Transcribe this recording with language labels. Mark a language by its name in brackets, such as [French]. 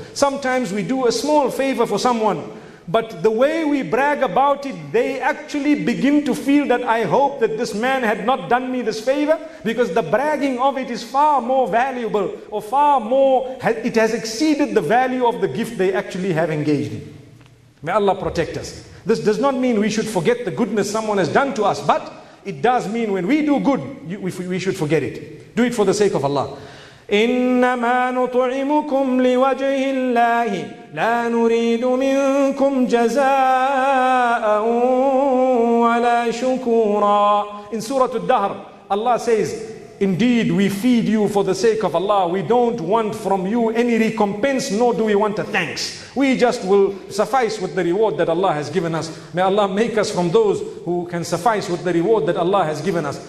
[English] Sometimes we do a small favor for someone, but the way we brag about it, they actually begin to feel that I hope that this man had not done me this favor, because the bragging of it is far more valuable, or far more, it has exceeded the value of the gift they actually have engaged in. May Allah protect us. This does not mean we should forget the goodness someone has done to us, but it does mean when we do good, we should forget it. Do it for the sake of Allah. [Arabic] إنما نطعمكم لوجه الله لا نريد منكم جزاء ولا شكورا. [English] In Surah Al-Dahr, Allah says, indeed, we feed you for the sake of Allah. We don't want from you any recompense, nor do we want a thanks. We just will suffice with the reward that Allah has given us. May Allah make us from those who can suffice with the reward that Allah has given us.